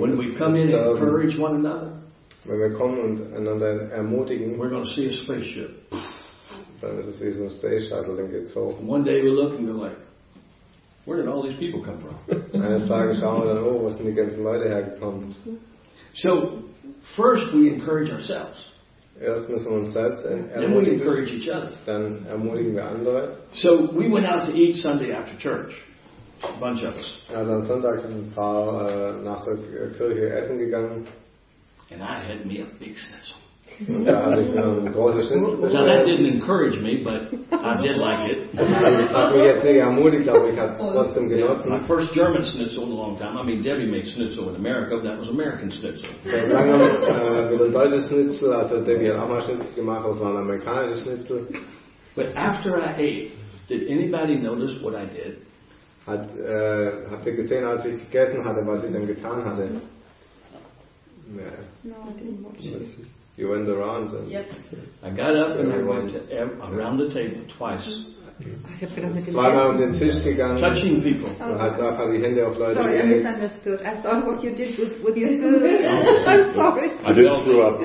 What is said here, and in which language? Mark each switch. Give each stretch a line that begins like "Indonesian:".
English: When we come in and encourage one another.
German: Wenn wir kommen und einander ermutigen.
English: We're going to see a spaceship.
German: Dann ist es wie so ein Space Shuttle, dann geht's hoch.
English: And one day we look and go like, where did all these people come from?
German: Eines Tages schauen wir dann, oh, wo sind die ganzen Leute hergekommen?
English: So, first we encourage ourselves.
German: Erst müssen wir uns selbst ermutigen.
English: Then we encourage each other.
German: Dann ermutigen wir andere.
English: So, we went out to eat Sunday after church. A bunch of us.
German: Also am Sonntag sind ein paar nach der Kirche essen gegangen.
English: And I had me a big schnitzel. Now that didn't encourage me, but I did like it. My first German schnitzel in a long time. I mean, Debbie made schnitzel in America, but that was American schnitzel. But after I ate, did anybody notice what I did?
German: Habt ihr gesehen, als ich gegessen hatte, was ich dann getan hatte?
English: No, I didn't watch it. You went around and I got up and I went around the table twice.
German: Zweimal um den Tisch gegangen.
English: Touching people.
German: Die Hände auf Leute.
English: Sorry, I misunderstood. I thought what you did with your food. I'm sorry. I didn't throw up.